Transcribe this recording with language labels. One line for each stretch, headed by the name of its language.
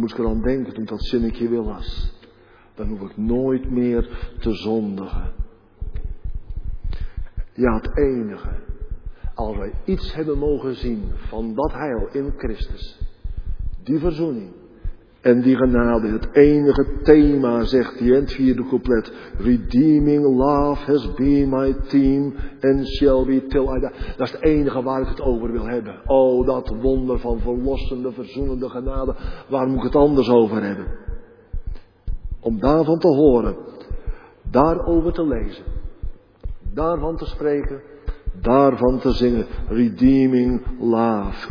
Dutch: Moest ik er aan denken toen dat zinnetje weer was. Dan hoef ik nooit meer te zondigen. Ja, het enige. Als wij iets hebben mogen zien van dat heil in Christus. Die verzoening en die genade. Het enige thema, zegt hij in het vierde couplet.
English: Redeeming love has been my theme and shall be till I die.
Dutch: Dat is het enige waar ik het over wil hebben. Oh, dat wonder van verlossende, verzoenende genade. Waar moet ik het anders over hebben? Om daarvan te horen. Daarover te lezen. Daarvan te spreken. Daarvan te zingen,
English: redeeming love.